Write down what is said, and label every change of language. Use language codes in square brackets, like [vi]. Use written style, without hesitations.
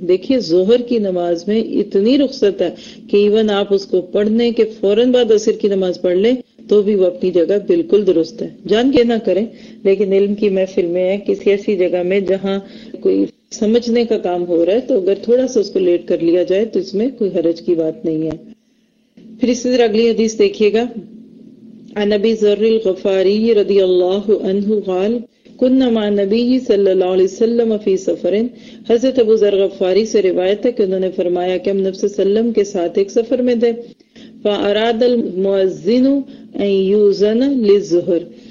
[ur] دیکھیے ظہر کی نماز میں اتنی رخصت ہے کہ ایون آپ اس کو پڑھنے کے فوراً بعد عصر کی نماز پڑھ لیں تو بھی وہ اپنی جگہ بالکل درست ہے. جان کے نہ کریں، لیکن علم کی محفل میں ہے کسی ایسی جگہ میں جہاں کوئی سمجھنے کا کام ہو رہا ہے، تو اگر تھوڑا سا اس کو لیٹ کر لیا جائے تو اس میں کوئی حرج کی بات نہیں ہے. پھر اسی طرح اگلی حدیث دیکھیے گا. [ar] عن ابی ذر الغفاری رضی اللہ عنہ قال کن مع نبی صلی اللہ علیہ وسلم فی سفر، [ur] حضرت ابو ذر غفاری سے روایت ہے کہ انہوں نے فرمایا کہ ہم نبی صلی اللہ علیہ وسلم کے ساتھ ایک سفر میں تھے. [ar] فاراد المؤذن ان یوزن للظہر،